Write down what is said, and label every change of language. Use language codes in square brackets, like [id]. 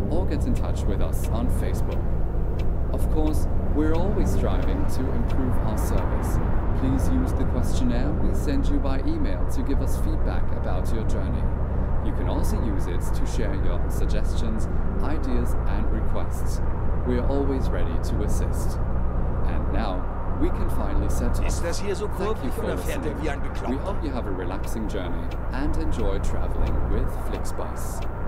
[en] ...or get in touch with us on Facebook. Of course, we're always striving to improve our service. Please use the questionnaire we send you by email to give us feedback about your journey. You can also use it to share your suggestions, ideas and requests. We are always ready to assist. And now, We can finally set off. [de] Ist das hier so kurvig oder fährt er wie ein Bekloppter? [en] We hope you have a relaxing journey and enjoy traveling with Flixbus.